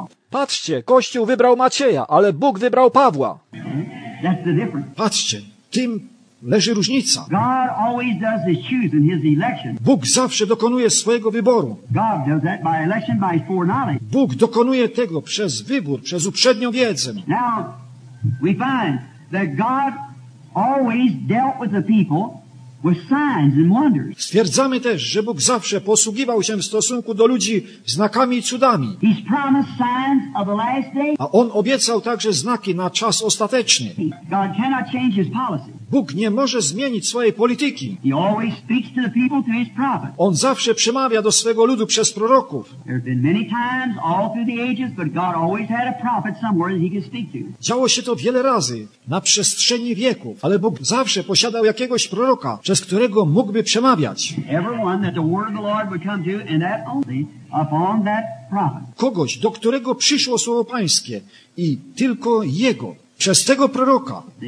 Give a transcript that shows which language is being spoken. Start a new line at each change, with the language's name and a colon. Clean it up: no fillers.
Polish: Patrzcie, Kościół wybrał Macieja, ale Bóg wybrał Pawła.
English: That's the difference.
Polish: Patrzcie, tym leży różnica.
English: God always does his choosing, his election.
Polish: Bóg zawsze dokonuje swojego wyboru.
English: God does that by election, by foreknowledge.
Polish: Bóg dokonuje tego przez wybór, przez uprzednią wiedzę.
English: Now we find that God always dealt with the people with signs and wonders.
Polish: Stwierdzamy też, że Bóg zawsze posługiwał się w stosunku do ludzi znakami i cudami.
English: He's promised signs of the last day.
Polish: A On obiecał także znaki na czas ostateczny.
English: God cannot change his policy.
Polish: Bóg nie może zmienić swojej polityki.
English: He always speaks to the people through his prophets.
Polish: On zawsze przemawia do swego ludu przez proroków.
English: There have been many times all through the ages, but God always had a prophet somewhere that he could speak to.
Polish: Działo się to wiele razy na przestrzeni wieków, ale Bóg zawsze posiadał jakiegoś proroka, przez którego mógłby przemawiać.
English: Everyone that the word of the Lord would come to, and that only upon that prophet.
Polish: Kogoś, do którego przyszło słowo Pańskie i tylko jego. Przez tego proroka.